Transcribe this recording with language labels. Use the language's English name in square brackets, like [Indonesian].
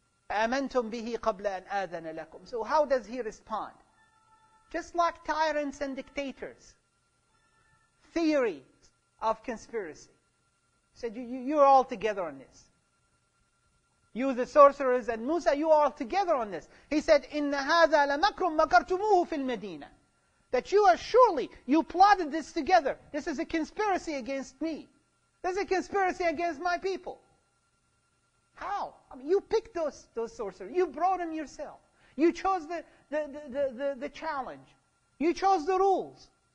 [Arabic] أَمَنْتُمْ بِهِ قَبْلَ أَنْ آذَنَ لَكُمْ. [English] So how does he respond? Just like tyrants and dictators. Theory of conspiracy. He said, you're all together on this. You, the sorcerers, and Musa, you are all together on this. He said, [Arabic] إِنَّ هَذَا لَمَكْرٌ مَكَرْتُمُوهُ فِي الْمَدِينَةِ. [English] That you are surely, you plotted this together. This is a conspiracy against me. This is a conspiracy against my people. How? I mean, you picked those sorcerers. You brought them yourself. You chose the challenge. You chose the rules.